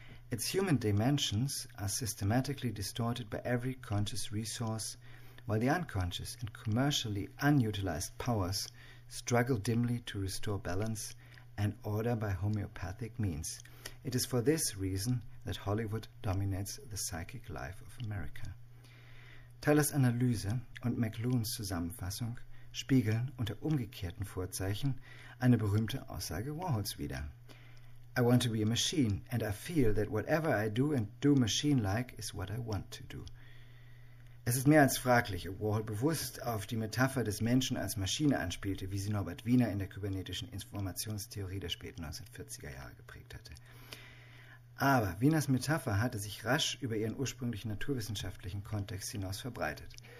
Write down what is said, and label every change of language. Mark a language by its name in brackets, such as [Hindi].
[English] Its human dimensions are systematically distorted by every conscious resource, while the unconscious and commercially unutilized powers struggle dimly to restore balance and order by homeopathic means. It is for this reason that Hollywood dominates the psychic life of America. [German] Tylers Analyse und McLuhans Zusammenfassung spiegeln unter umgekehrten Vorzeichen eine berühmte Aussage Warhols wider. [English] I want to be a machine, and I feel that whatever I do and do machine-like is what I want to do. [German] Es ist mehr als fraglich, ob Warhol bewusst auf die Metapher des Menschen als Maschine anspielte, wie sie Norbert Wiener in der kybernetischen Informationstheorie der späten 1940er Jahre geprägt hatte. Aber Wieners Metapher hatte sich rasch über ihren ursprünglichen naturwissenschaftlichen Kontext hinaus verbreitet.